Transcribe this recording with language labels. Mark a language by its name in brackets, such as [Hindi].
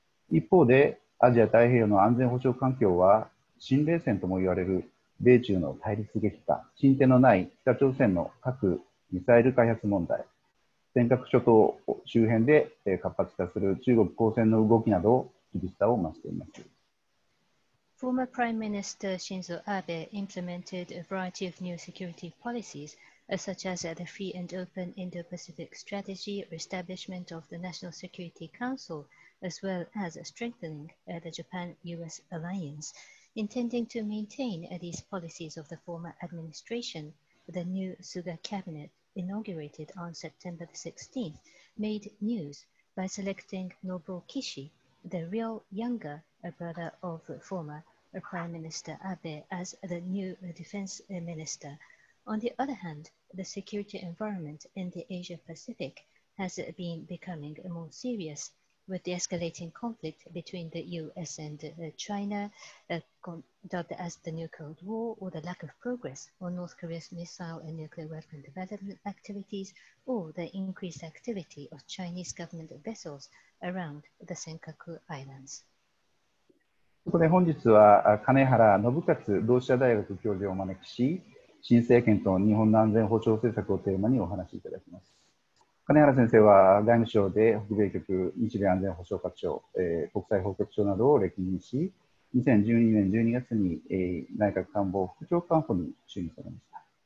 [Japanese] 一方でアジア太平洋の安全保障環境は新冷戦とも言われる米中の対立激化、進展のない北朝鮮の核・ミサイル開発問題、尖閣諸島周辺で活発化する中国公船の動きなど厳しさを増しています。 [English] Former Prime Minister Shinzo Abe implemented a variety of new security policies, such as the Free and Open Indo-Pacific Strategy, establishment of the National Security Council, as well as strengthening the Japan-US alliance. Intending to maintain these policies of the former administration, the new Suga cabinet, inaugurated on September 16th, made news by selecting Nobuo Kishi, the real younger brother of former Prime Minister Abe, as the new defense minister. On the other hand, the security environment in the Asia Pacific has been becoming more serious. With the escalating conflict between the US and China, dubbed as the new Cold War, or the lack of progress on North Korea's missile and nuclear weapon development activities, or the increased activity of Chinese government vessels around the Senkaku Islands. [Japanese] そこで本日は金原信勝同志社大学教授をお招きし、新政権と日本の安全保障政策をテーマにお話しいただきます。金原先生は外務省で北米局、日米安全保障局長、国際報局長などを歴任し、2012年12月に、内閣官房副長官補に就任されました。